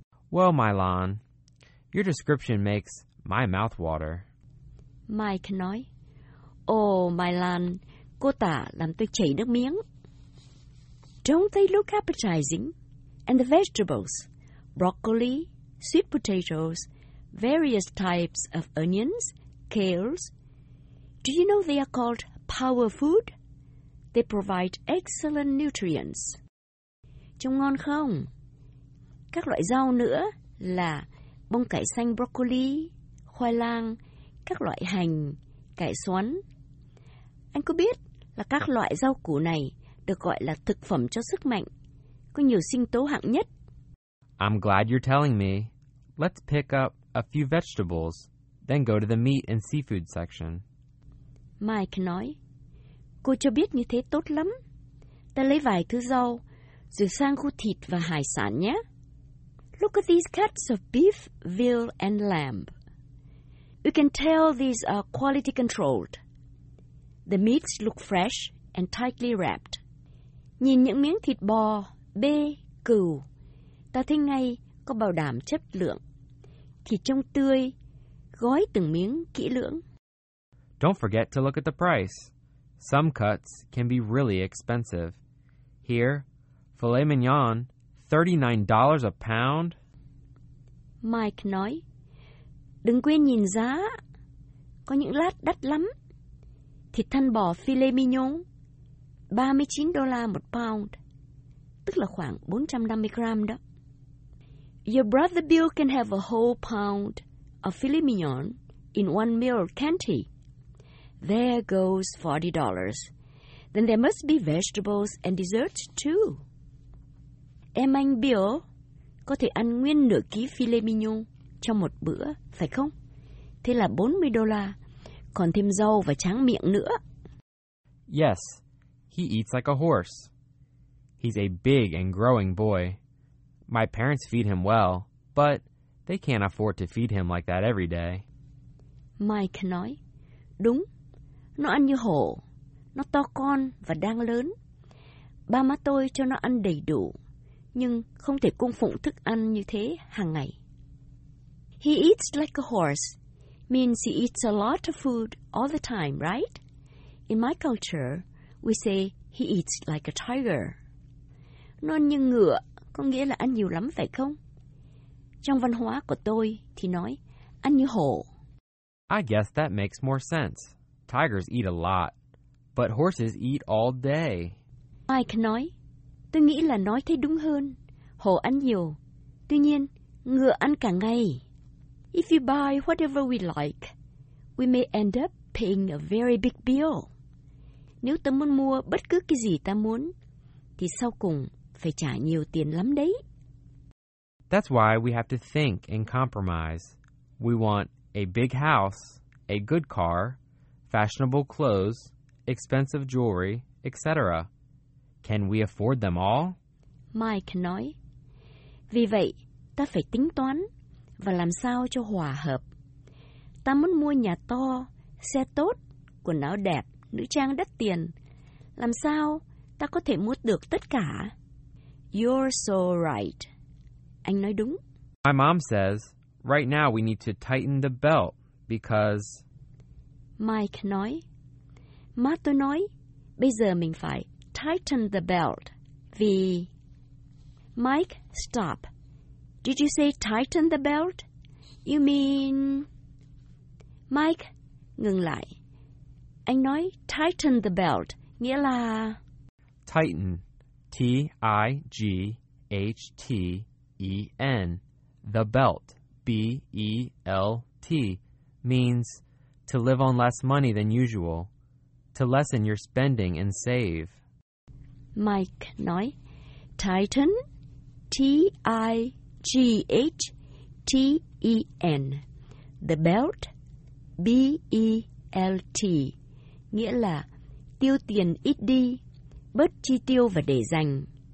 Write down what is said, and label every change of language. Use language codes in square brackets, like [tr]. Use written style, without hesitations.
[en] Well, Mylon, your description makes my mouth water. [vi] Mike nói, oh, Mylon, cô tả làm tôi chảy nước miếng. [en] Don't they look appetizing? And the vegetables, broccoli, sweet potatoes, various types of onions, kales. Do you know they are called power food? They provide excellent nutrients. [vi] Trông ngon không? Các loại rau nữa là bông cải xanh broccoli, khoai lang, các loại hành, cải xoắn. Anh có biết là các loại rau củ này được gọi là thực phẩm cho sức mạnh, có nhiều sinh tố hạng nhất. [en] I'm glad you're telling me. Let's pick up a few vegetables, then go to the meat and seafood section. [vi] Mike nói, cô cho biết như thế tốt lắm. Ta lấy vài thứ rau, rồi sang khu thịt và hải sản nhé. [en] Look at these cuts of beef, veal and lamb. You can tell these are quality controlled. The meats look fresh and tightly wrapped. [vi] Nhìn những miếng thịt bò, bê, cừu, ta thấy ngay có bảo đảm chất lượng. Thịt trông tươi, gói từng miếng kỹ lưỡng. [en] Don't forget to look at the price. Some cuts can be really expensive. Here, filet mignon, $39 a pound. [vi] Mike nói, đừng quên nhìn giá. Có những lát đắt lắm. Thịt thân bò filet mignon, $39 một pound. Tức là khoảng 450 gram đó. [en] Your brother Bill can have a whole pound of filet mignon in one meal, can't he? There goes $40. Then there must be vegetables and desserts too. [vi] Em anh Bill có thể ăn nguyên nửa ký filet mignon trong một bữa, phải không? Thế là $40, còn thêm rau và tráng miệng nữa. [en] Yes, he eats like a horse. He's a big and growing boy. My parents feed him well, but they can't afford to feed him like that every day. [vi] Mike nói, đúng, nó ăn như hổ. Nó to con và đang lớn. Ba má tôi cho nó ăn đầy đủ, nhưng không thể cung phụng thức ăn như thế hàng ngày. [en] He eats like a horse means he eats a lot of food all the time, right? In my culture, we say he eats like a tiger. [vi] Nôn như ngựa có nghĩa là ăn nhiều lắm phải không? Trong văn hóa của tôi thì nói ăn như hổ. [en] I guess that makes more sense. Tigers eat a lot, but horses eat all day. [vi] Mike nói, tôi nghĩ là nói thế đúng hơn. Hổ ăn nhiều, tuy nhiên ngựa ăn cả ngày. [en] If you buy whatever we like, we may end up paying a very big bill. [vi] Nếu ta muốn mua bất cứ cái gì ta muốn, thì sau cùng phải trả nhiều tiền lắm đấy. [en] That's why we have to think and compromise. We want a big house, a good car, fashionable clothes, expensive jewelry, etc. Can we afford them all? [vi] Mike nói, vì vậy, ta phải tính toán và làm sao cho hòa hợp. Ta muốn mua nhà to, xe tốt, quần áo đẹp, nữ trang đắt tiền. Làm sao ta có thể mua được tất cả? [en] You're so right. [vi] Anh nói đúng. [en] My mom says, right now we need to tighten the belt because... [vi] Mike nói, má tôi nói, bây giờ mình phải [en] tighten the belt [vi] vì... [en] Mike, stop. Did you say tighten the belt? You mean... Mike, [vi] ngừng lại. Anh nói [en] tighten the belt, [vi] nghĩa là... [en] Tighten, T-I-G-H-T-E-N, the belt, B-E-L-T, means to live on less money than usual, to lessen your spending and save. [vi] Mike nói, [en] tighten, T-I-G-H-T-E-N, the belt, B-E-L-T, [vi] nghĩa là tiêu tiền ít đi, bớt chi tiêu và để dành.